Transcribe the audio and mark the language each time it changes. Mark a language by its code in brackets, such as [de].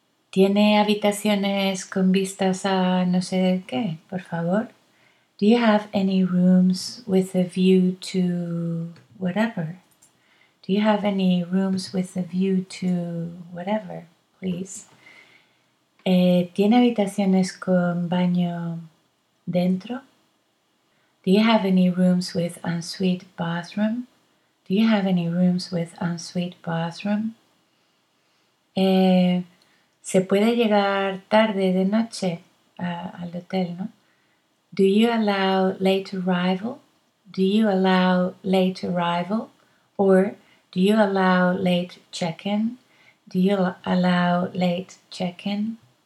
[es] ¿Tiene habitaciones con vistas a no sé qué, por favor? [en] Do you have any rooms with a view to whatever? Do you have any rooms with a view to whatever, please? [es] ¿Tiene habitaciones con baño dentro? [en] Do you have any rooms with ensuite bathroom? Do you have any rooms with ensuite bathroom? [es] ¿Se puede llegar tarde de noche al hotel, no? [en] Do you allow late arrival? Do you allow late arrival? Or do you allow late check-in? Do you allow late check-in?